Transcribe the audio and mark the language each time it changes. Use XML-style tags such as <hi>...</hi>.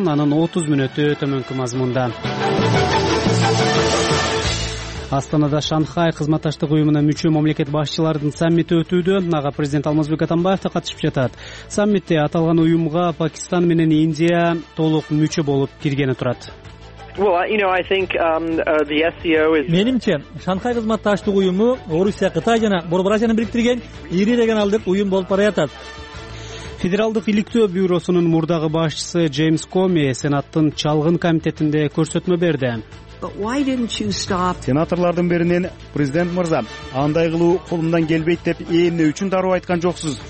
<ky>Анын 30 мүнөтү төмөнкү мазмунда. Астанада Шанхай кызматташтык уюмуна мүчө мамлекет башчыларынын саммити өтүүдө. Ага президент Алмазбек Атамбаев да катышып жатат. Саммитте аталган уюмга Пакистан менен Индия толук мүчө болуп киргени турат.</ky> <en>Well, you know, I think the SCO is</en> <ky>Менимче, Шанхай кызматташтык уюму Орусия, Кытай жана Борборазияны бириктирген ири регионалдык уюм болуп баратат. Федералдык иликтөө бюросунун мурдагы башчысы Джеймс Коми Сенаттын чалгын комитетинде көрсөтмө берди.</ky> <en>Why didn't you stop?</en> <ky>Сенаторлордун биринин "Президент мырза, андай кылуу колумдан келбейт деп эмне үчүн дароо айткан жоксуз?"</ky>